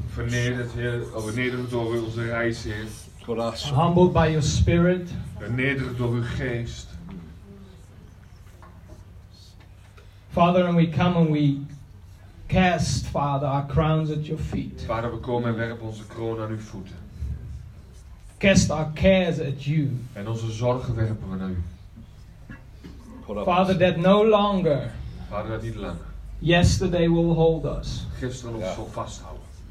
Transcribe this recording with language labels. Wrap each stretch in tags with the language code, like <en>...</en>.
<nl>Vernederd door onze reis, Heer.</nl> <en>Humbled by your spirit.</en> <nl>Vernederd door uw geest.</nl> <en>Father, and we come and we cast, Father, our crowns at your feet.</en> <nl>Vader, we komen en werpen onze kroon aan uw voeten.</nl> <en>Cast our cares at you.</en> <nl>En onze zorgen werpen we naar u.</nl> <en>Father, that no longer.</en> <nl>Vader, dat niet langer.</nl> <en>Yesterday will hold us.</en> <nl>Gisteren ons zal vasthouden.</nl>